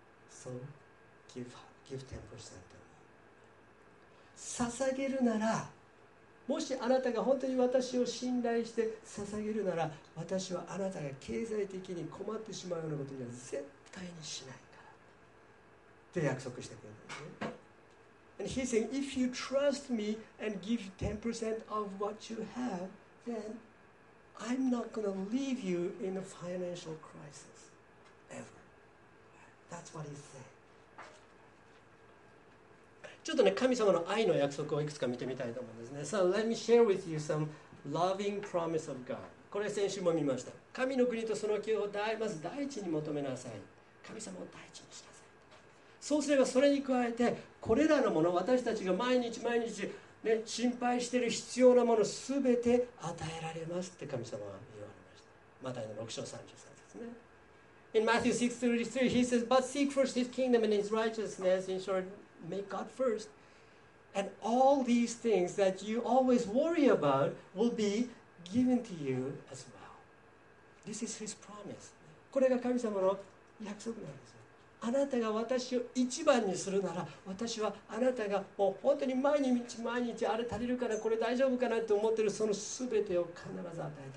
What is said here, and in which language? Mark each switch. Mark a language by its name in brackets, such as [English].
[English] So give her. Give 10% to me. [Japanese] 捧げるなら、もしあなたが本当に私を信頼して捧げるなら、私はあなたが経済的に困ってしまうようなことには絶対にしないからって約束してくれるんですね。 [English] And he said, if you trust me and give 10% of what you have, then I'm not going to leave you in a financial crisis ever. That's what he said. [Japanese] ちょっとね、神様の愛の約束をいくつか見てみたいと思うんですね。 [English] So let me share with you some loving promise of God. [Japanese] これ先週も見ました。神の国とその義をまず第一に求めなさい。神様を第一にしなさい。そうすればそれに加えて、これらのもの、私たちが毎日毎日、ね、心配している必要なもの、すべて与えられますって神様は言われました。マタイの6章33節ですね。 [English] In Matthew 6:33, he says, But seek first his kingdom and his righteousness, in short,Make God first, and all these things that you always worry about will be given to you as well. This is His promise. [Japanese] これが神様の約束なんです。あなたが私を一番にするなら、私はあなたがもう本当に毎日毎日あれ足りるかな、これ大丈夫かなと思っているそのすべてを必ず与えてあげるからね。